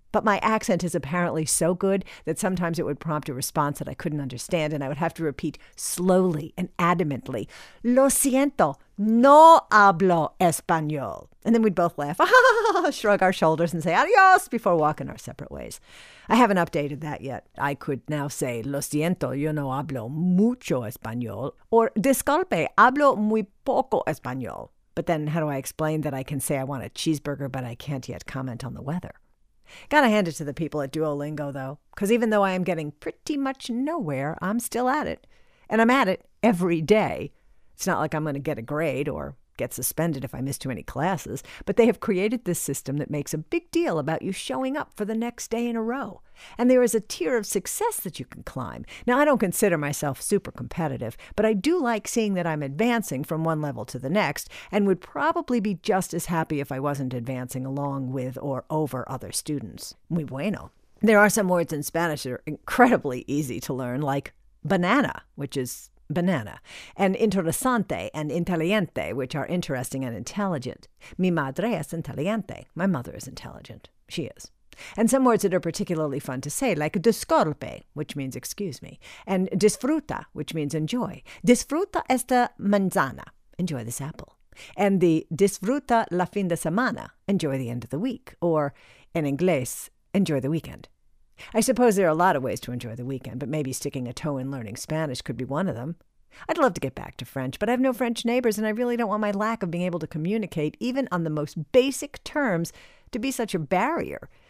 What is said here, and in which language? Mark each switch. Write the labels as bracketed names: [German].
[English] But my accent is apparently so good that sometimes it would prompt a response that I couldn't understand, and I would have to repeat slowly and adamantly, [Spanish] "Lo siento, no hablo español." [English] And then we'd both laugh, shrug our shoulders and say adios before walking our separate ways. I haven't updated that yet. I could now say, [Spanish] "Lo siento, yo no hablo mucho español," [English] or [Spanish] "Disculpe, hablo muy poco español." [English] But then how do I explain that I can say I want a cheeseburger, but I can't yet comment on the weather? Gotta hand it to the people at Duolingo, though, because even though I am getting pretty much nowhere, I'm still at it. And I'm at it every day. It's not like I'm going to get a grade or get suspended if I miss too many classes, but they have created this system that makes a big deal about you showing up for the next day in a row. And there is a tier of success that you can climb. Now, I don't consider myself super competitive, but I do like seeing that I'm advancing from one level to the next and would probably be just as happy if I wasn't advancing along with or over other students. [Spanish] Muy bueno. [English] There are some words in Spanish that are incredibly easy to learn, like banana, which is banana, and interesante and inteligente, which are interesting and intelligent. [Spanish] Mi madre es inteligente. [English] My mother is intelligent. She is. And some words that are particularly fun to say, like disculpe, which means excuse me, and disfruta, which means enjoy. [Spanish] Disfruta esta manzana. [English] Enjoy this apple. And the [Spanish] disfruta la fin de semana. [English] Enjoy the end of the week. Or, in inglés, enjoy the weekend. I suppose there are a lot of ways to enjoy the weekend, but maybe sticking a toe in learning Spanish could be one of them. I'd love to get back to French, but I have no French neighbors, and I really don't want my lack of being able to communicate, even on the most basic terms, to be such a barrier.